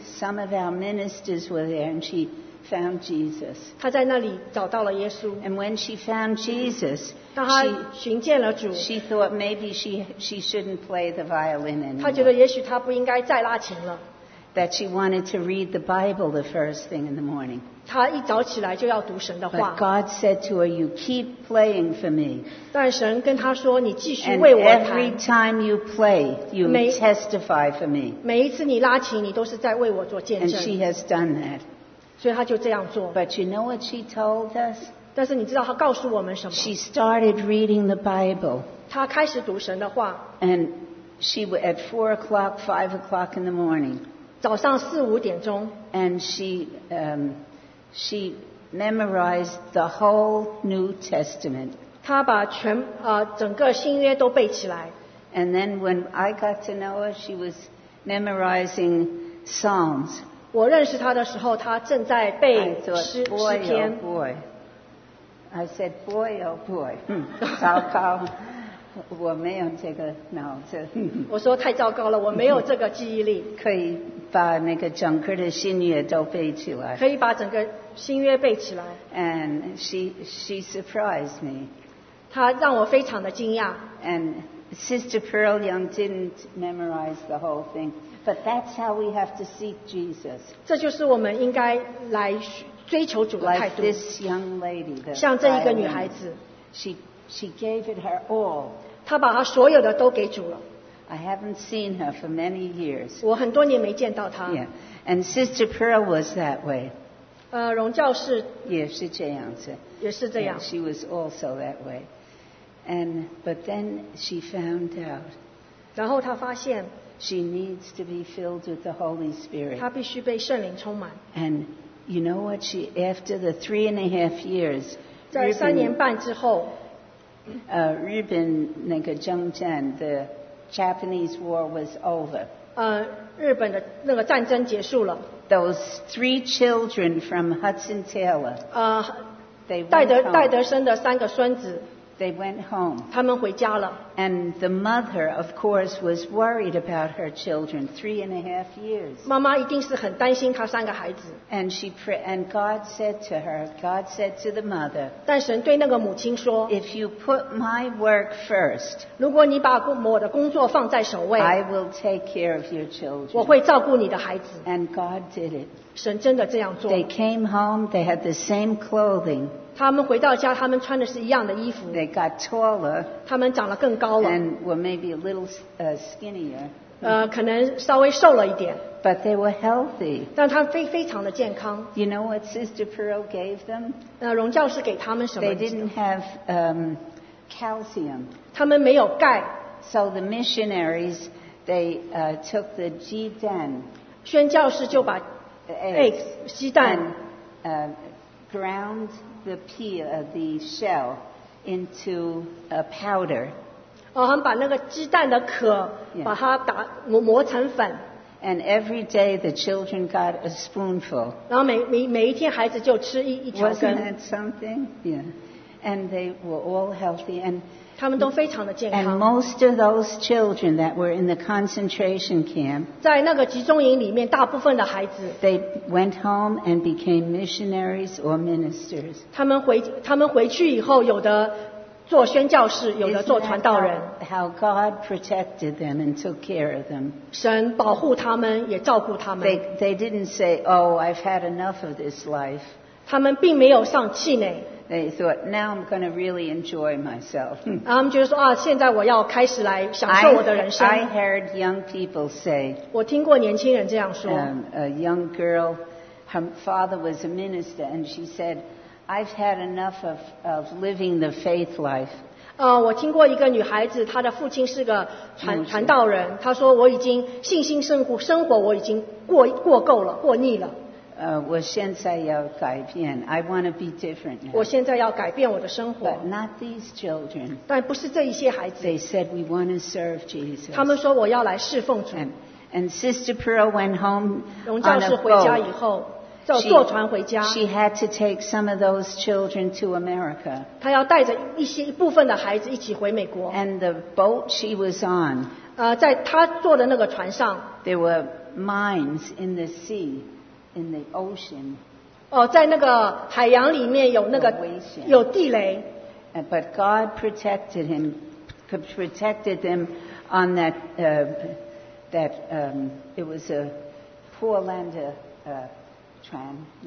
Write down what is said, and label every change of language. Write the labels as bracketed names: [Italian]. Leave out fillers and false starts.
[English] Some of our ministers were there and she found Jesus. [Chinese] 她在那里找到了耶稣。 [English] And when she found Jesus, [Chinese] 当她寻见了主。 [English] She thought maybe she shouldn't play the violin anymore. [Chinese] 她觉得也许她不应该再拉琴了。 [English] That she wanted to read the Bible the first thing in the morning. [Chinese] 她一早起来就要读神的话。 [English] But God said to her, you keep playing for me. [Chinese] 但神跟她说你继续为我弹。 [English] And every time you play, you testify for me. [Chinese] 每一次你拉琴你都是在为我做见证。 [English] And she has done that. [Chinese] 所以她就这样做。 [English] But you know what she told us? [Chinese] 但是你知道她告诉我们什么? [English] She started reading the Bible. [Chinese] 她开始读神的话。 [English] And She was at 4 o'clock, 5 o'clock in the morning. [Chinese] 早上四五点钟。 [English] And she memorized the whole New Testament. [Chinese] 她把全整个新约都背起来。 [English] And then when I got to know her, she was memorizing Psalms. [Chinese] 我认识她的时候，她正在背诗篇。 [English] Oh boy. I said, boy, oh boy. [Chinese] 糟糕。我没有这个脑子。我说太糟糕了，我没有这个记忆力。可以把那个整个的新约都背起来。可以把整个新约背起来。 [English] And she surprised me. [Chinese] 她让我非常的惊讶。 [English] And Sister Pearl Young didn't memorize the whole thing, but that's how we have to seek Jesus. [Chinese] 这就是我们应该来追求主的态度。 [English] Like this young lady, [Chinese] 像这一个女孩子。 [English] She gave it her all. [Chinese] 她把她所有的都给主了。 [English] I haven't seen her for many years. [Chinese] 我很多年没见到她。 [English] Yeah. And Sister Pearl was that way. [Chinese] 荣教士也是这样子。也是这样。 [English] Yeah, she was also that way. But then she found out. [Chinese] 然后她发现。 [English] She needs to be filled with the Holy Spirit. [Chinese] 她必须被圣灵充满。 [English] And you know what? She, after the 3.5 years, [Chinese] 在三年半之后。日本那个征战 [English] ，the Japanese War was over。 [Chinese] 日本的那个战争结束了。 [English] Those three children from Hudson Taylor。 [Chinese] 戴德生的三个孙子。 [English] They went home。 [Chinese] 他们回家了。 [English] And the mother, of course, was worried about her children 3.5 years。 [Chinese] 妈妈一定是很担心她三个孩子。 [English] And she prayed, and God said to her, God said to the mother, [Chinese] 但神对那个母亲说 [English] If you put my work first, [Chinese] 如果你把我的工作放在首位 [English] I will take care of your children. [Chinese] 我会照顾你的孩子。 [English] And God did it. [Chinese] 神真的这样做。 [English] They came home, they had the same clothing. [Chinese] 他们回到家，他们穿的是一样的衣服。 [English] They got taller. [Chinese] 他们长得更高了。 [English] And were maybe a little skinnier. [Chinese] 可能稍微瘦了一点。 [English] But they were healthy. [Chinese] 但他们非常的健康。 [English] You know what Sister Pearl gave them? [Chinese] 荣教士给他们什么 [English] ？They didn't have calcium. [Chinese] 他们没有钙。 [English] So the missionaries took the鸡蛋。 [Chinese] 宣教士就把 [English] eggs [Chinese] 鸡蛋 [English] and, ground. The shell into a powder. [Chinese] 哦，他们把那个鸡蛋的壳把它打磨成粉。 [English] And every day the children got a spoonful. [Chinese] 然后每一天孩子就吃一条根。 [English] Wasn't that something? Yeah. And they were all healthy. And [Chinese] 他们都非常的健康。 [English] And most of those children that were in the concentration camp, [Chinese] 在那个集中营里面，大部分的孩子 [English] they went home and became missionaries or ministers. [Chinese] 他们回去以后，有的做宣教士，有的做传道人。 [English] How God protected them and took care of them. [Chinese] 神保护他们，也照顾他们。 [English] They didn't say, "Oh, I've had enough of this life." [Chinese] 他们并没有丧气馁。 [English] They thought, now I'm going to really enjoy myself. [Chinese] 他们觉得说啊，现在我要开始来享受我的人生。 [English] I heard young people say. [Chinese] 我听过年轻人这样说。 [English] A young girl, her father was a minister, and she said, "I've had enough of living the faith life." [Chinese] 我听过一个女孩子，她的父亲是个传道人，她说我已经信心生活我已经过够了，过腻了。我现在要改变 [English] I want to be different now. [Chinese] 我现在要改变我的生活 [English] But not these children. [Chinese] 但不是这一些孩子 [English] They said we want to serve Jesus. [Chinese] 他们说我要来侍奉主 [English] And Sister Pearl went home on a boat. [Chinese] 荣教士回家以后就坐船回家 [English] She had to take some of those children to America. [Chinese] 她要带着一部分的孩子一起回美国 [English] And the boat she was on. [Chinese] 在她坐的那个船上 [English] There were mines in the sea. In the ocean, [Chinese] 在那个海洋里面有那个有地雷。 [English] But God protected him, protected them on that it was a poor lander tram.